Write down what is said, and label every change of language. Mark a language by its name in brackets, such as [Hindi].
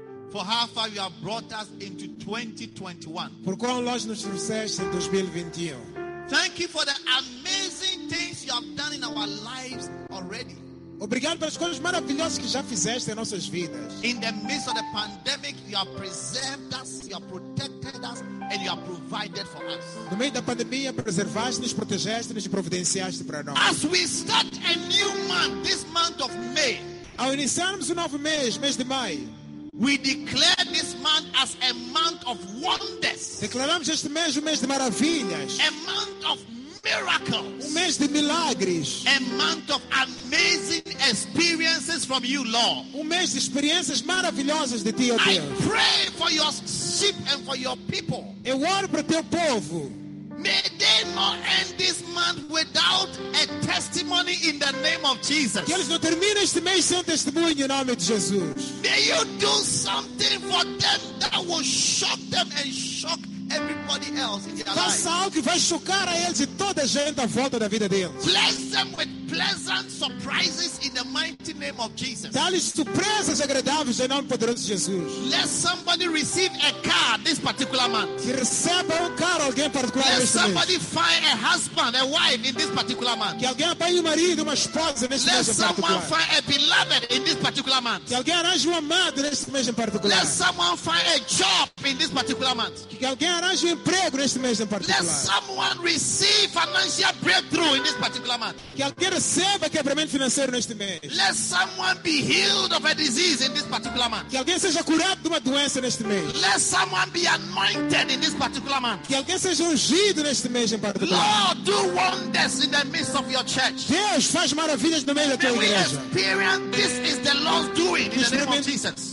[English] For how far you have brought us into 2021. [Portuguese] Por quão longe nos trouxeste em 2021. [English] Thank you for the amazing things you have done in our lives already. [Portuguese] Obrigado pelas coisas maravilhosas que já fizeste em nossas vidas. [English] In the midst of the pandemic, you have preserved us, you have protected us, and you have provided for us. [Portuguese] No meio da pandemia, preservaste-nos, protegeste-nos e providenciaste para nós. [English] As we start a new month, this month of May. [Portuguese] Ao iniciarmos o novo mês, mês de maio, [English] we declare this month as a month of wonders. [Portuguese] Declaramos este mês um mês de maravilhas. [English] A month of miracles. [Portuguese] Um mês de milagres. [English] A month of amazing experiences from you, Lord. [Portuguese] Um mês de experiências maravilhosas de ti, ó Deus. [English] I pray for your sheep and for your people. [Portuguese] Eu oro para o teu povo. [English] May they not end this month without a testimony in the name of Jesus. [Portuguese] Que eles não terminem este mês sem testemunho em nome de Jesus. [English] May you do something for them that will shock them and shock everybody else in their life. [Portuguese] Faça algo que vai chocar a eles e toda a gente à volta da vida deles. [English] Bless them with pleasant surprises in the mighty name of Jesus. [Portuguese] Dá-lhes surpresas agradáveis em nome poderoso de Jesus. [English] Let somebody receive a car this particular month. [Portuguese] Que receba carro alguém particular. [English] Let somebody find a husband, a wife in this particular month. [Portuguese] Que alguém apanhe um marido, uma esposa neste mês. [English] Let someone find a beloved in this particular month. [Portuguese] Que alguém arranje um amado neste mês em particular. [English] Let someone find a job in this particular month. [Portuguese] Que alguém arranje um emprego neste mês em particular. [English] Let someone receive financial breakthrough in this particular month. [Portuguese] Que alguém receba quebramento financeiro neste mês. [English] Let someone be healed of a disease in this particular month. [Portuguese] Que alguém seja curado de uma doença neste mês. [English] Let someone be anointed in this particular month. [Portuguese] Que alguém seja ungido neste mês em particular. [English] Lord, do wonders in the midst of your church. [Portuguese] Deus, faz maravilhas no meio da tua igreja. [English] May we experience this is the Lord's doing in the name of Jesus.